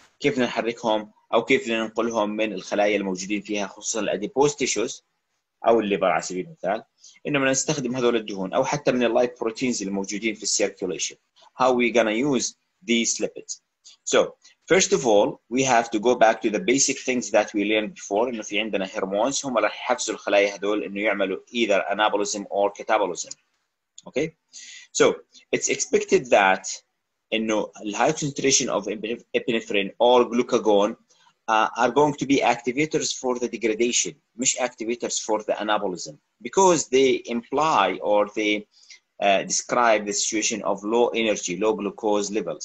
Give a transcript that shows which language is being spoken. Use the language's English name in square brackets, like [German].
[Arabic] كيف نحركهم او كيف ننقلهم من الخلايا الموجودين فيها خصوصا الادبوست تيشوز او الليبر على سبيل المثال، انما نستخدم هذول الدهون او حتى من اللايت بروتينز الموجودين في السيركيوليشن. [English] How are we going to use these lipids? So, first of all, we have to go back to the basic things that we learned before. [Arabic] انه في عندنا هرمونز هم اللي حفزوا الخلايا هذول انه يعملوا [English] either anabolism or catabolism. Okay? So, it's expected that [Arabic] انه الهاي [English] concentration of epinephrine or glucagon are going to be activators for the degradation, [Arabic] مش [English] activators for the anabolism, because they imply or they describe the situation of low energy, low glucose level.